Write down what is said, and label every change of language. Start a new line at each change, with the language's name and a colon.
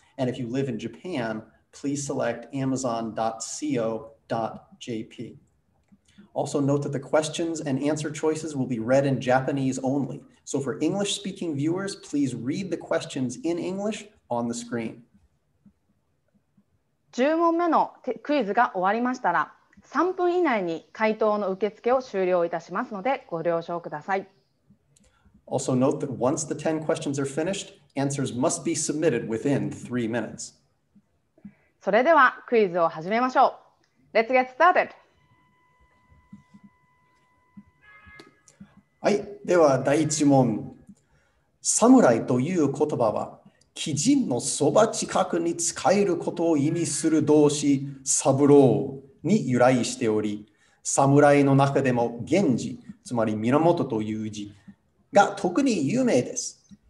English: And if you live in Japan, please select Amazon.co.jp. Also note that the questions and answer choices will be read in Japanese only. So for English speaking viewers, please read the questions in English on the screen.
Japanese: 10問目のクイズが終わりましたら、3分以内に回答の受付を終了いたしますので、ご了承ください。
English: Also note that once the 10 questions are finished, answers must be submitted within 3 minutes.
Japanese: それではクイズを始めましょう。
English: Let's get started!
Japanese: はい、では第一問。侍という言葉は、鬼人のそば近くに使えることを意味する動詞、サブローに由来しており、侍の中でも源氏、つまり源という字が特に有名です。